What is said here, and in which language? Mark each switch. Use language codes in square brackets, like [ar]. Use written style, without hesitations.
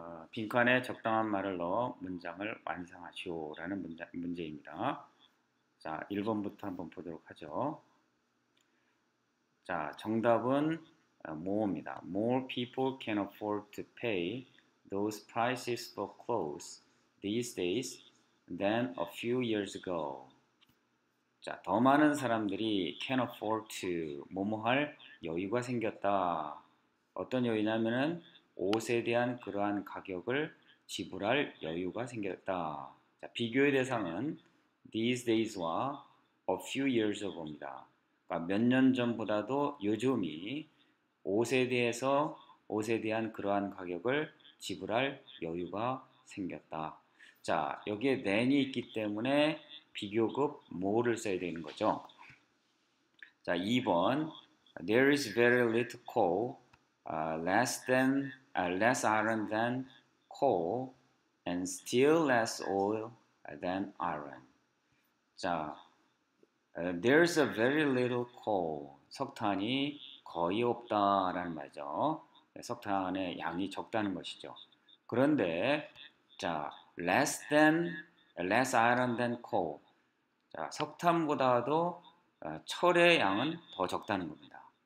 [ko] 빈칸에 적당한 말을 넣어 문장을 완성하시오 라는 문제입니다. 자, 1번부터 한번 보도록 하죠. 자, 정답은 more입니다. [en] More people can afford to pay those prices for clothes these days than a few years ago. [ko] 자, 더 많은 사람들이 [en] can afford to [ko] 뭐뭐 할 여유가 생겼다. 어떤 여유냐면은 옷에 대한 그러한 가격을 지불할 여유가 생겼다. 자, 비교의 대상은 [en] these days [ko] 와 [en] a few years ago [ko] 입니다. 그러니까 몇 년 전보다도 요즘이 옷에 대한 그러한 가격을 지불할 여유가 생겼다. 자, 여기에 then이 있기 때문에 비교급 more를 써야 되는 거죠. 자, 2번. [en] There is very little coal, less iron than coal, and still less oil than iron. 자, there's a very little coal. [ko] 석탄이 거의 없다라는 말이죠. 석탄의 양이 적다는 것이죠. 그런데, 자, [en] less iron than coal. [ko] 자, 석탄보다도 철의 양은 더 적다는 겁니다.